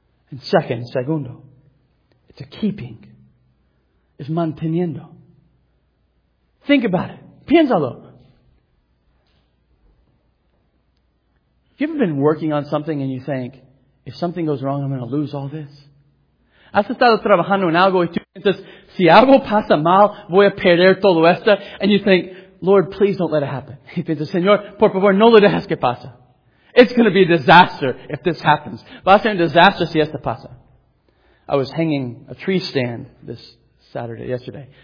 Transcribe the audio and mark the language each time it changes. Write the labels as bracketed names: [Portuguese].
[English] And segundo, it's a keeping. It's manteniendo. Think about it. [Spanish] Piénsalo. [English] Have you ever been working on something and you think, if something goes wrong, I'm going to lose all this? [Spanish] Has estado trabajando en algo y tú piensas, si algo pasa mal, voy a perder todo esto. [English] And you think, Lord, please don't let it happen. [Spanish] Y piensas, Señor, por favor, no lo dejes que pase. [English] It's going to be a disaster if this happens. [Spanish] Va a ser un disaster si esto pasa. [English] I was hanging a tree stand this Saturday, yesterday.